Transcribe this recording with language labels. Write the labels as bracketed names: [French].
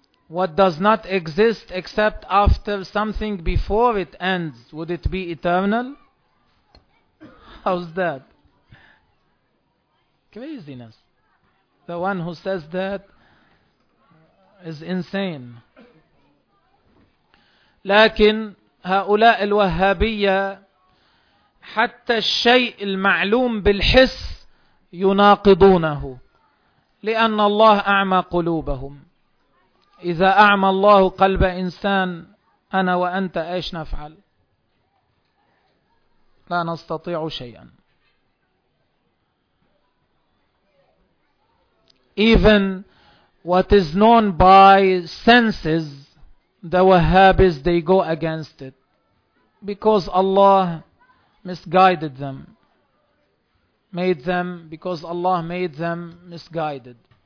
[English] What does not exist except after something before it ends, would it be eternal? How's that? Craziness. The one who says that is insane. [Arabic] لكن هؤلاء الوهابية حتى الشيء المعلوم بالحس يناقضونه لأن الله أعمى قلوبهم. إذا أعمى الله قلب إنسان أنا وأنت إيش نفعل؟ لا نستطيع شيئا. [English] Even what is known by senses, the Wahhabis, they go against it because Allah misguided them, made them misguided.